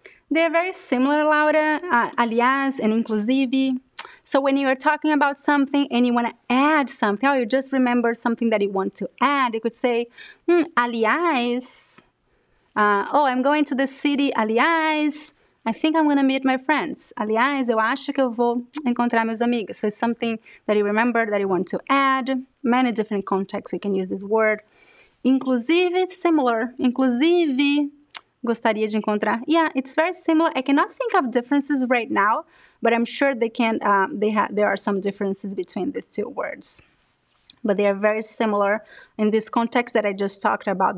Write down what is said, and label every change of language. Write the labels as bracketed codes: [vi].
[en] They're very similar, Laura, aliás, and inclusive. So when you are talking about something and you want to add something, or you just remember something that you want to add, you could say, aliás, oh, I'm going to the city, aliás, I think I'm going to meet my friends. [pt] Aliás, eu acho que eu vou encontrar meus amigos. [en] So it's something that you remember that you want to add. Many different contexts you can use this word. [pt] Inclusive, [en] it's similar. [pt] Inclusive, gostaria de encontrar. [en] Yeah, it's very similar. I cannot think of differences right now, but I'm sure they can. There are some differences between these two words, but they are very similar in this context that I just talked about.